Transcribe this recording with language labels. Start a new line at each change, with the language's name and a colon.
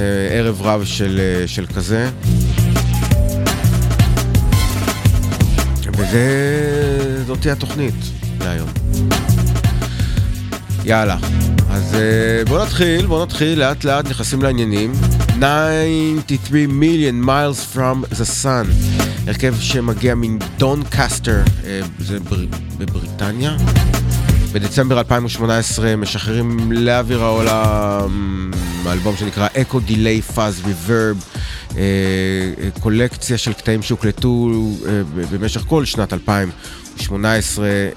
Hebrew: ערב רב של, של כזה. וזה, זאת תהיה התוכנית להיום. יאללה, אז בוא נתחיל, בוא נתחיל, לאט לאט נכנסים לעניינים.
English: 93 million miles from the sun.
Hebrew: הרכב שמגיע מדונקאסטר, זה בבריטניה. בדצמבר 2018 משחררים לאוויר העולם אלבום שנקרא Echo Delay Fuzz Reverb, קולקציה של קטעים שהוקלטו במשך כל שנת 2018.